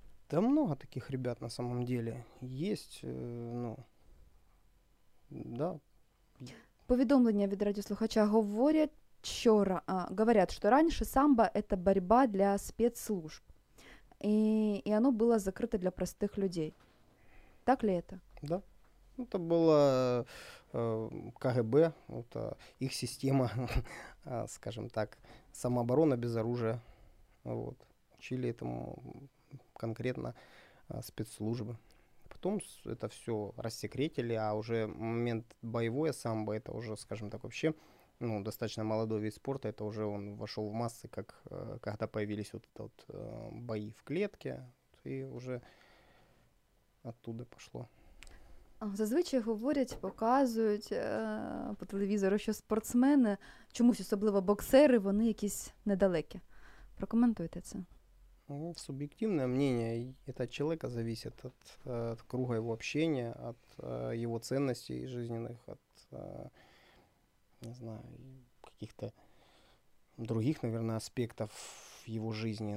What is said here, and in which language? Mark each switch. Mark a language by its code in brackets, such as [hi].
[ru] Да много таких ребят на самом деле. Есть, ну, да. [uk] Повідомлення від радіослухача говорять, що раніше самбо – це боротьба для спецслужб. І воно було закрите для простих людей. [ru] Так ли это? Да. Это было КГБ, это их система, скажем так, самооборона без оружия. Вот. Учили этому конкретно спецслужбы. Потом это все рассекретили, а уже момент боевое самбо, это уже, скажем так, вообще достаточно молодой вид спорта, это уже он вошел в массы, как когда появились бои в клетке, и уже оттуда пошло. [uk] Зазвичай говорять, показують по телевізору, що спортсмени, чомусь особливо боксери, вони якісь недалекі. Прокоментуйте це. [ru] Суб'єктивне мнение, это от человека зависит, от круга его общения, от его ценностей жизненных, от, не знаю, каких-то других, наверное, аспектов его жизни.